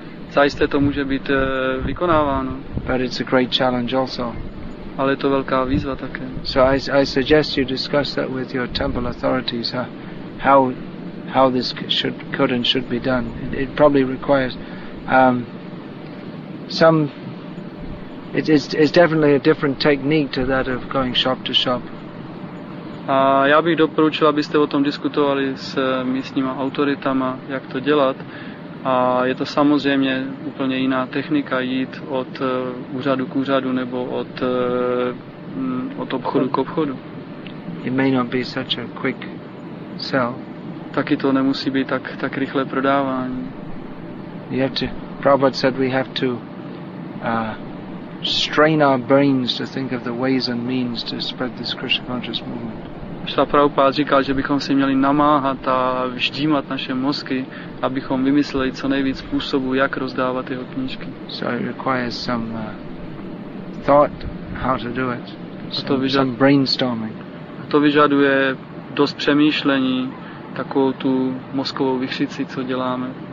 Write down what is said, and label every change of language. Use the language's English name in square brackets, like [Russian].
[Czech] Zajisté to může být vykonáváno. [English] But it's a great challenge also. [Czech] Ale je to velká výzva také. [English] So I suggest you discuss that with your temple authorities, how this should be done. It probably requires it's definitely a different technique to that of going shop to shop. [Czech] A já bych doporučil, abyste o tom diskutovali s místníma autoritama, jak to dělat. A je to samozřejmě úplně jiná technika jít od úřadu k úřadu nebo od obchodu k obchodu. [English] It may not be such a quick sell. [Czech] Taky to nemusí být tak rychlé prodávání. [English] Prabhupada said we have to strain our brains to think of the ways and means to spread this Krishna conscious movement. [Czech] Šla Prabhupáda říkal, že bychom si měli namáhat a vždímat naše mozky, abychom vymysleli co nejvíc způsobů, jak rozdávat jeho knížky. [English] So it requires some thought how to do it. Some brainstorming. [Czech] To vyžaduje dost přemýšlení, takovou tu mozkovou vichřici, co děláme.